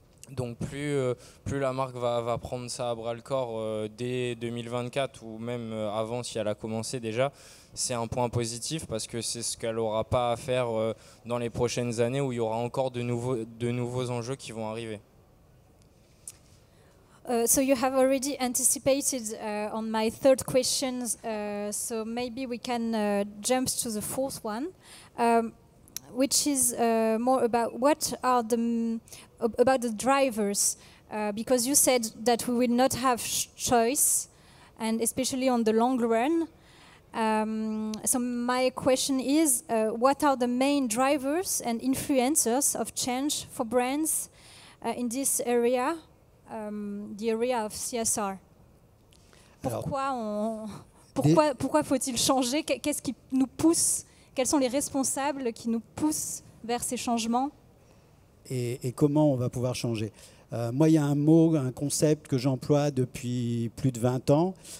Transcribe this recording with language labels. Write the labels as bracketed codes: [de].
[fr] Donc plus la marque va prendre ça à bras-le-corps dès 2024 ou même avant si elle a commencé déjà, c'est un point positif parce que c'est ce qu'elle n'aura pas à faire dans les prochaines années où il y aura encore de nouveaux enjeux qui vont arriver. [en] So you have already anticipated on my third question, so maybe we can jump to the fourth one, which is more about what are about the drivers, because you said that we will not have choice, and especially on the long run. So my question is, what are the main drivers and influencers of change for brands in this area, the area of CSR? [fr] Pourquoi faut-il changer? Qu'est-ce qui nous pousse? Quels sont les responsables qui nous poussent vers ces changements? Et comment on va pouvoir changer? Moi, il y a un mot, un concept que j'emploie depuis plus de 20 ans.